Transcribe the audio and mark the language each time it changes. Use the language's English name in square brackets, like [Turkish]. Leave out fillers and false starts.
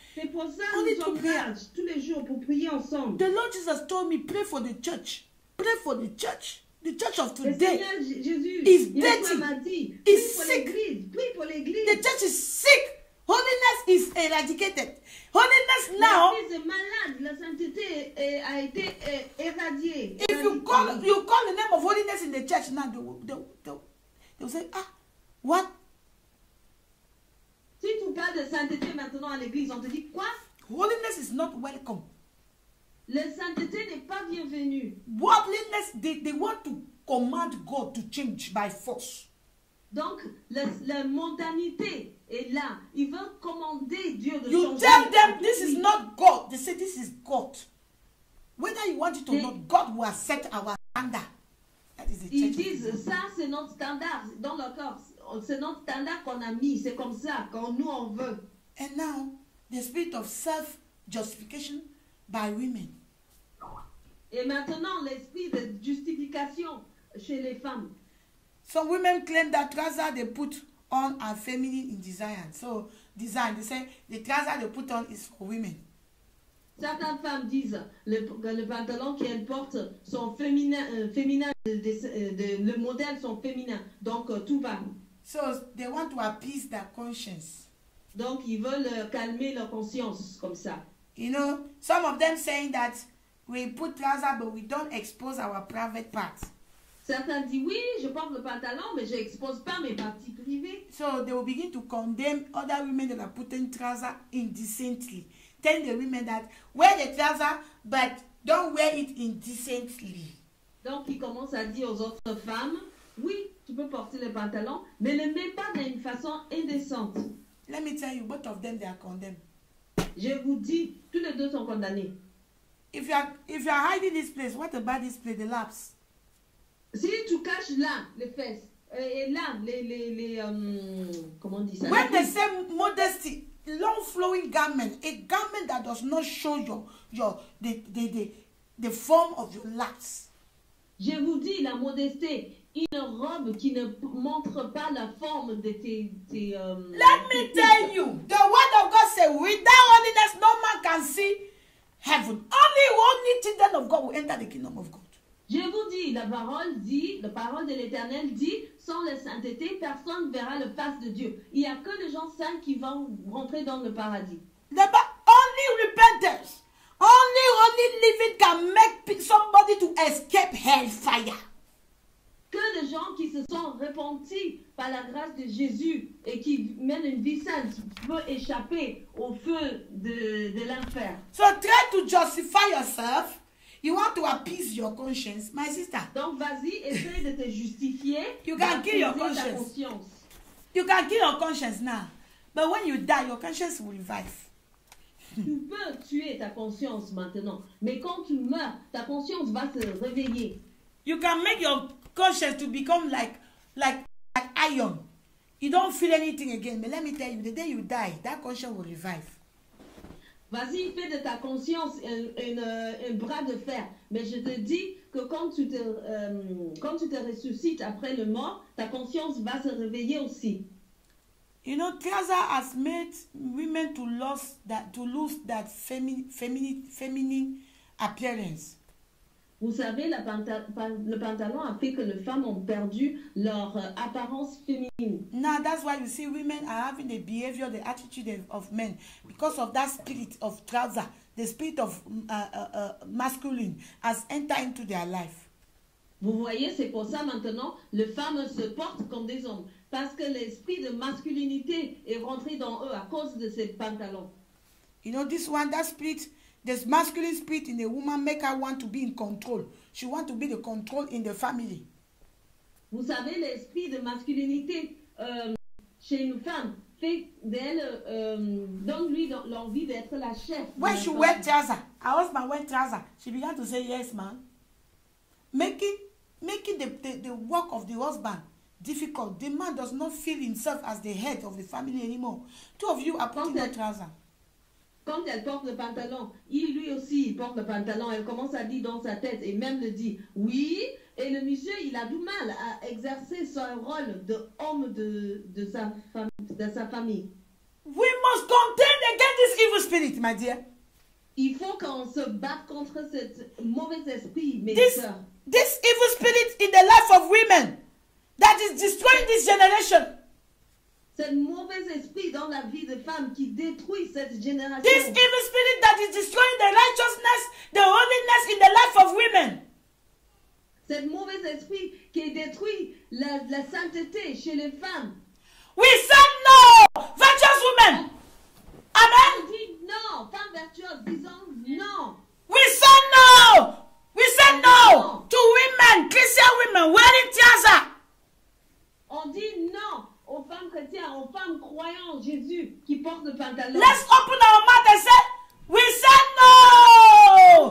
[French] c'est pour ça nous sommes tous les jours pour prier ensemble. [English] The Lord Jesus told me, pray for the church. Pray for the church. The church of today is dirty. Is sick. Pray for l'église. The church is sick. Holiness is eradicated. Holiness now. [French] La sainteté a été éradiée. [English] If you call the name of holiness in the church now, they will say, ah, what? [French] Si tu parles de sainteté maintenant à l'église, on te dit quoi? [English] Holiness is not welcome. [French] La sainteté n'est pas bienvenue. [English] Worldliness, they want to command God to change by force. [French] Donc, la mondanité est là. Ils veulent commander Dieu de changer. [English] You tell them this is not God. They say this is God. Whether you want it or not, God will accept our standard. That is the [French] ils disent, ça c'est notre standard. Dans leur cœur, c'est notre standard qu'on a mis. C'est comme ça, quand nous on veut. [English] And now, the spirit of self-justification by women. [French] Et maintenant, l'esprit de justification chez les femmes. [English] Some women claim that trousers they put on are feminine in design. So, design, they say the trousers they put on is for women. [French] Certaines femmes disent que le pantalon qu'elles portent sont féminins, le modèle sont féminins, donc tout va. [English] So they want to appease their conscience. [French] Donc ils veulent calmer leur conscience comme ça. [English] You know, some of them saying that we put trousers but we don't expose our private parts. [French] Certains disent oui, je porte le pantalon mais je n'expose pas mes parties privées. [English] So they will begin to condemn other women that are putting trousers indecently. Tell the women that wear the trouser, but don't wear it indecently. [French] Donc, il commence à dire aux autres femmes, oui, tu peux porter le pantalon, mais ne le mets pas d'une façon indécente. [English] Let me tell you, both of them, they are condemned. [French] Je vous dis, tous les deux sont condamnés. [English] If you are hiding this place, what about this place, the laps? [French] Si tu caches là, les fesses, et là, comment on dit ça? [English] When the same modesty. Long flowing garment, a garment that does not show the form of your lats. [French] Je vous dis la modesté, une robe qui ne montre pas la forme de tes [English] Let me tell you, the word of God says, without holiness, no man can see heaven. Only children of God will enter the kingdom of God. [French] Je vous dis, la parole de l'Éternel dit, sans la sainteté, personne ne verra le face de Dieu. Il n'y a que les gens saints qui vont rentrer dans le paradis. [English] Only repentance, only living can make somebody to escape hellfire. [French] Que les gens qui se sont repentis par la grâce de Jésus et qui mènent une vie sainte peuvent échapper au feu de l'enfer. [English] So try to justify yourself. You want to appease your conscience, my sister. [French] Donc vas-y, essaye de te justifier. [English] You can kill your conscience. You can kill your conscience now. But when you die, your conscience will revive. [French] Tu peux tuer ta conscience maintenant. Mais quand tu meurs, ta conscience va se réveiller. [English] You can make your conscience to become like iron. You don't feel anything again. But let me tell you, the day you die, that conscience will revive. [French] Vas-y, fais de ta conscience un bras de fer. Mais je te dis que quand tu te ressuscites après le mort, ta conscience va se réveiller aussi. [English] You know, Kaza has made women to lose that feminine appearance. [French] Vous savez, le pantalon a fait que les femmes ont perdu leur apparence féminine. [English] Now that's why you see women are having the behavior, the attitude of men, because of that spirit of trouser, the spirit of masculine has entered into their life. [French] Vous voyez, c'est pour ça maintenant, les femmes se portent comme des hommes, parce que l'esprit de masculinité est rentré dans eux à cause de ces pantalons. [English] You know this one, that spirit. This masculine spirit in a woman make her want to be in control. She want to be the control in the family. [French] Vous savez, l'esprit de masculinité chez une femme fait d'elle donne lui l'envie d'être la chef. [English] When she wear trouser, her husband wear trouser. She began to say yes, man. Making the work of the husband difficult. The man does not feel himself as the head of the family anymore. Two of you are putting on trouser. [French] Quand elle porte le pantalon, il porte le pantalon. Elle commence à dire dans sa tête et même le dit oui. Et le monsieur, il a du mal à exercer son rôle d'homme de sa famille. [English] We must contend against this evil spirit, my dear. [French] Il faut qu'on se batte contre ce mauvais esprit, mes sœurs. [English] This evil spirit in the life of women that is destroying this generation. [French] Cet mauvais esprit dans la vie des femmes qui détruit cette génération. [English] This evil spirit that is destroying the righteousness, the holiness in the life of women. [French] Cet mauvais esprit qui détruit la sainteté chez les femmes. [English] We say no, virtuous women. Amen. [French] On dit non, femmes vertueuses, disons non. [English] We say no. We say no to women, Christian women, wearing tiara. [French] On dit non. Aux femmes chrétiennes, aux femmes croyantes en Jésus qui porte le pantalon. [English] Let's open our mouth and say, we say no.